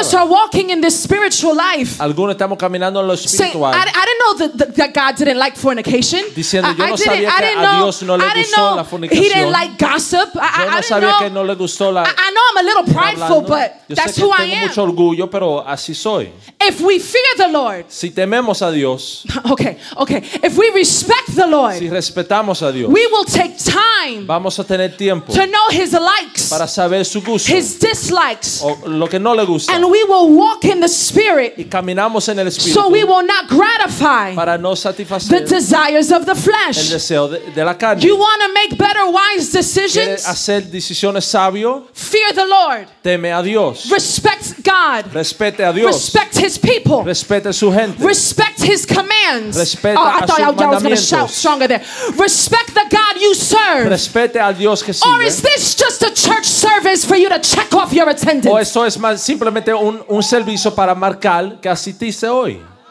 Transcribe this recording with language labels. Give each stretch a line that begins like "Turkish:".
English: Of us are walking in this spiritual life.
Spanish: Algunos estamos caminando en lo espiritual.
English: Saying, I didn't know that God didn't like fornication.
Spanish: Diciendo, yo no sabía que a Dios no le gustó la fornicación.
English: He didn't like gossip. I know I'm a little prideful, but that's who I am.
Spanish: Yo tengo mucho orgullo, pero así soy.
English: If we fear the Lord.
Spanish: Si tememos a Dios.
English: Okay. If we respect the Lord.
Spanish: Si respetamos a Dios.
English: We will take time.
Spanish: Vamos a tener tiempo.
English: To know his likes,
Spanish: para saber su gusto,
English: his dislikes,
Spanish: o lo que no le gusta,
English: and we will walk in the spirit,
Spanish: y caminamos en el espíritu,
English: so we will not gratify
Spanish: para no satisfacer
English: the desires of the flesh.
Spanish: El deseo de la carne.
English: You want to make better, wise decisions?
Spanish: ¿Quieres hacer decisiones sabio?
English: Fear the Lord.
Spanish: Teme a Dios.
English: Respect God.
Spanish: Respete a Dios.
English: Respect his people.
Spanish: Respete su gente.
English: Respect his commands.
Spanish: Respeta
English: oh, I thought y'all was going to shout stronger there. Respect the God you serve.
Spanish: Respete al Dios que
English: or is this just a church service for you to check off your attendance?
Spanish: O esto es más simplemente un servicio para marcar que asististe hoy.